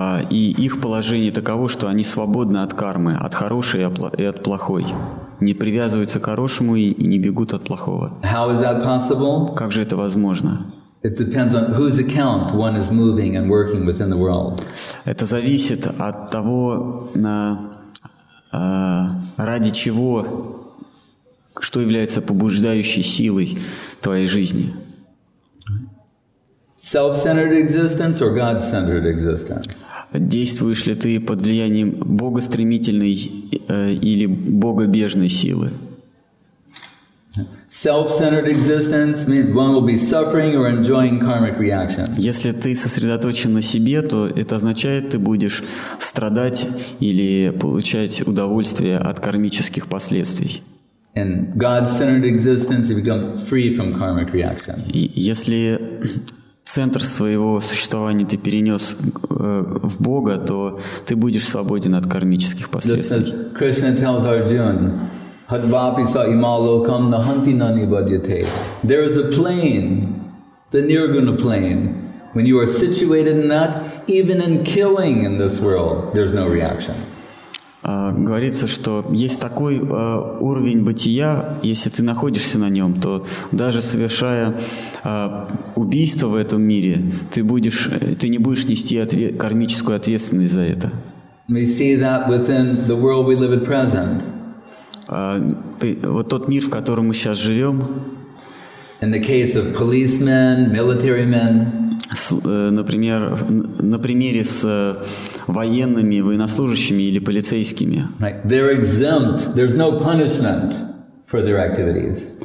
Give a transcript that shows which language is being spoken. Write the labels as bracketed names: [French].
[Russian] И их положение таково, что они свободны от кармы, от хорошей и от плохой. Не привязываются к хорошему и не бегут от плохого. [English] How is that possible? [Russian] Как же это возможно? [English] It depends on whose account one is moving and working within the world. [Russian] Это зависит от того, ради чего, что является побуждающей силой твоей жизни. [English] Self-centered existence or God-centered existence? [Russian] Действуешь ли ты под влиянием богостремительной или богобежной силы? [English] Self-centered existence means one will be suffering or enjoying karmic reactions. [Russian] Если ты сосредоточен на себе, то это означает, ты будешь страдать или получать удовольствие от кармических последствий. [English] In God-centered existence, you become free from karmic reactions. [Russian] Если центр своего существования ты перенес в Бога, то ты будешь свободен от кармических последствий. [English] Krishna tells Arjuna. [Sanskrit] Hadvapi sa imalokam nahanti nani badyate. [English] There is a plane, the nirguna plane. When you are situated in that, even in killing in this world, there's no reaction. [Russian] Говорится, что есть такой уровень бытия, если ты находишься на нем, то даже совершая убийство в этом мире, ты не будешь нести кармическую ответственность за это. [English] We see that within the world we live at present. [Russian] Вот тот мир, в котором мы сейчас живем. [English] In the case of policemen, military men. [Russian] Например, на примере с военными, военнослужащими или полицейскими. [English] Right. They're exempt. There's no punishment for their activities.